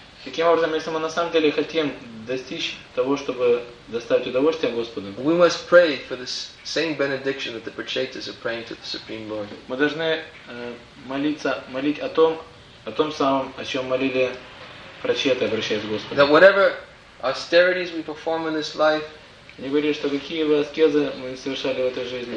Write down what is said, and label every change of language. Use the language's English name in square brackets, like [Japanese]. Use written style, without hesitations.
[Russian] каким образом, если мы на самом деле хотим достичь того, чтобы доставить удовольствие Господу? [English] We must pray for the same benediction that the Prachetas are praying to the Supreme Lord. [Russian] Мы должны молить о том самом, о чем молили Прачеты, обращаясь к Господу. [English] That whatever austerities we perform in this life, [Russian] не говорю, что какие бы аскезы мы не совершали в этой жизни,